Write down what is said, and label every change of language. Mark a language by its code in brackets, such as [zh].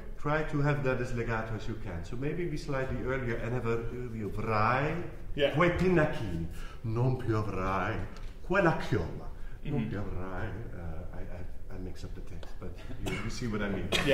[en] Try to have that as legato as you can. So maybe be slightly earlier and have a earlier vrai. Yeah. [it] Quei pinnacchini, non più avrai. Quella chioma, non più avrai. [en] I mix up the text, but you see what I mean.